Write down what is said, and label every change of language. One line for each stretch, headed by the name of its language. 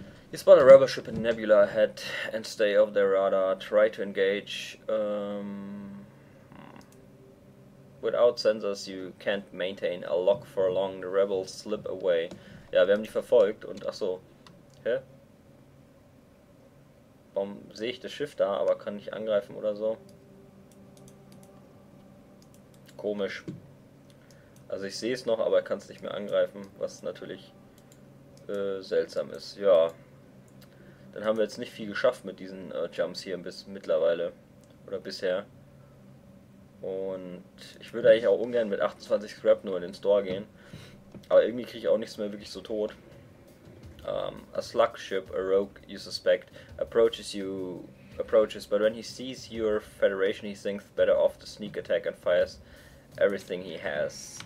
English: You spot a rebel ship in Nebula ahead and stay off their radar. Try to engage. Without sensors, you can't maintain a lock for long. The rebels slip away.
German: Ja, wir haben die verfolgt und ach so. Hä? Warum sehe ich das Schiff da, aber kann nicht angreifen oder so? Komisch. Also ich sehe es noch, aber kann es nicht mehr angreifen, was natürlich seltsam ist. Ja. Dann haben wir jetzt nicht viel geschafft mit diesen Jumps hier bis mittlerweile oder bisher. Und ich würde eigentlich auch ungern mit 28 Scrap nur in den Store gehen. Aber irgendwie kriege ich auch nichts mehr wirklich so tot.
English: A slug ship, a rogue you suspect, approaches, but when he sees your Federation, he thinks better off the sneak attack and fires everything he has.